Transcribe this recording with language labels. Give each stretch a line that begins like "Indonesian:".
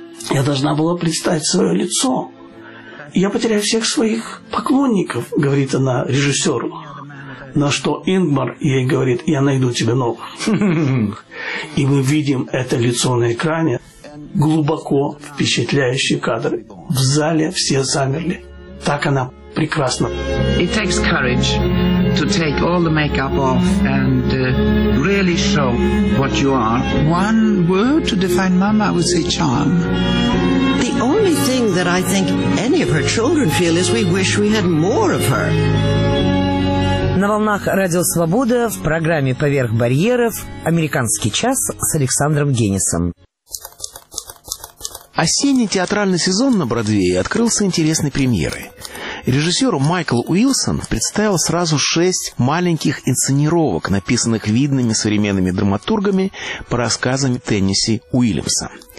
Russian: Я должна была представить свое лицо. Я потеряю всех своих поклонников», говорит она режиссеру. На что Ингмар ей говорит: «Я найду тебе новых». И мы видим это лицо на экране. Глубоко впечатляющие кадры. В зале все замерли. Так она прекрасна.
English: It takes courage to take all the makeup off and really show what you are. One word to define Mama, I would say charm. The only thing that I think any of her children feel is we wish we had more of her.
Russian: На волнах Радио Свобода в программе «Поверх барьеров» «Американский час» с Александром Генисом. Осенний театральный сезон на Бродвее открылся интересной премьерой. Режиссеру Майкл Уилсон представил сразу 6 маленьких инсценировок, написанных видными современными драматургами по рассказам Теннесси Уильямса.